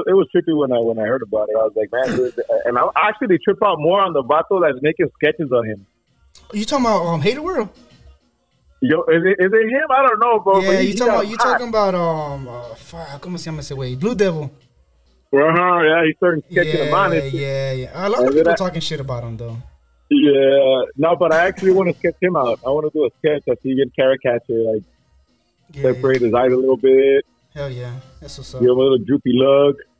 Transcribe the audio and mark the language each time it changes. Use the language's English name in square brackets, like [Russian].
[English] It was trippy when I heard about it. I was like, man, and I actually trip out more on the vato that's making sketches of him. Are you talking about Hater World? Yo, is it him? I don't know, bro. Yeah, you talking about [Spanish] ¿cómo se llama ese güey? [English] Blue Devil. He's starting sketching him on it. A lot of people talking shit about him, though. Yeah, no, but I actually want to sketch him out. I want to do a sketch that's even Caricature, like, separate his eyes a little bit. Hell yeah, that's what's up. Give him a little droopy look.